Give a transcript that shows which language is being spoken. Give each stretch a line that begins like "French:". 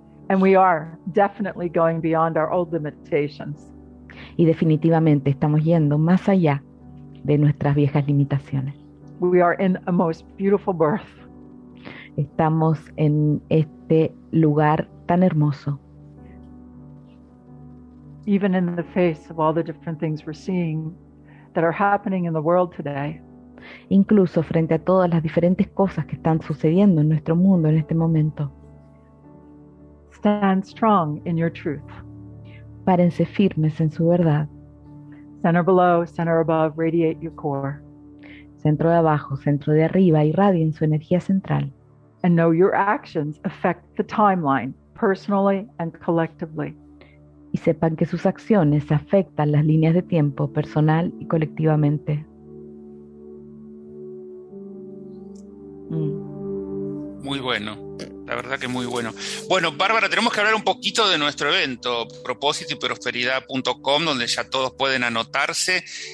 English: And we are definitely going beyond our old limitations.
Spanish: Y definitivamente estamos yendo más allá de nuestras viejas limitaciones.
English: We are in a most beautiful birth.
Spanish: Estamos en este lugar tan hermoso.
English: Even in the face of all the different things we're seeing that are happening in the world today.
Spanish: Incluso frente a todas las diferentes cosas que están sucediendo en nuestro mundo en este momento.
English: Stand strong in your truth.
Spanish: Párense firmes en su verdad.
English: Center below, center above, radiate your core.
Spanish: Centro de abajo, centro de arriba, irradien su energía central.
English: And know your actions affect the timeline, personally and collectively.
Spanish: Y sepan que sus acciones afectan las líneas de tiempo, personal y colectivamente. Muy bueno, la verdad que muy bueno. Bueno, Bárbara, tenemos que hablar un poquito de nuestro evento, propósitoyprosperidad.com, donde ya todos pueden anotarse.